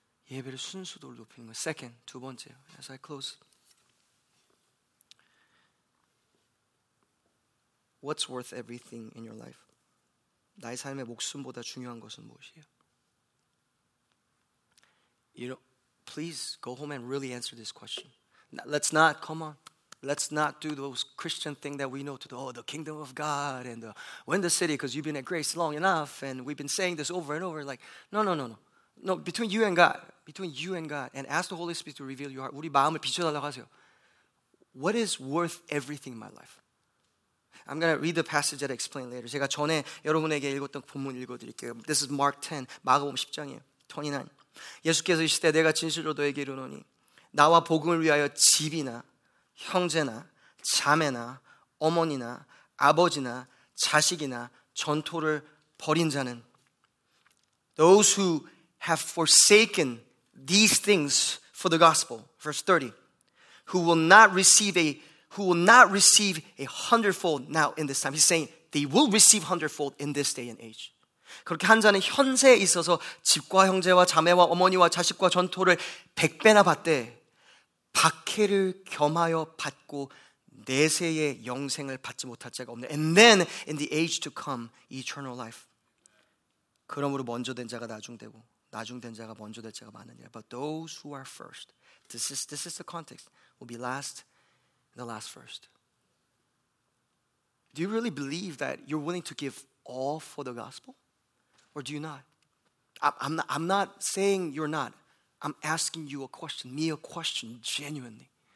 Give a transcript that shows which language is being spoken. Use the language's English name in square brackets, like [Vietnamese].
[Korean] 예배를 순수도를 높이는 거예요. [English] Second, [Korean] 두 번째요. [English] As I close. What's worth everything in your life? [Korean] 나의 삶의 목숨보다 중요한 것은 무엇이에요? [English] You know, please go home and really answer this question. Now, let's not, come on. Let's not do those Christian thing that we know to do. Oh, the kingdom of God and win the city because you've been at Grace long enough and we've been saying this over and over. Like, no, no, no, no. No, between you and God. Between you and God. And ask the Holy Spirit to reveal your heart. [Korean] 우리 마음을 비춰달라고 하세요. [English] What is worth everything in my life? I'm going to read the passage that I explain later. [Korean] 제가 전에 여러분에게 읽었던 본문 읽어드릴게요. [English] This is Mark 10, [Korean] 마가복음 10장이에요. [English] 29. [Korean] 예수께서 이시되 내가 진실로 너에게 이르노니 나와 복음을 위하여 집이나 형제나 자매나 어머니나 아버지나 자식이나 전토를 버린 자는 [English] Those who have forsaken these things for the gospel, verse 30, who will not receive a hundredfold now in this time. He's saying they will receive hundredfold in this day and age. [Korean] 그렇게 한 자는 현세에 있어서 집과 형제와 자매와 어머니와 자식과 전토를 백배나 받되 박해를 겸하여 받고 내세의 영생을 받지 못할 자가 없네. [English] And then in the age to come, eternal life. [Korean] 그러므로 먼저 된 자가 나중되고 나중된 자가 먼저 될 자가 많으니라. [English] But those who are first, this is the context, will be last, the last first. Do you really believe that you're willing to give all for the gospel? Or do you not? I'm not saying you're not. I'm asking you a question, me a question, genuinely.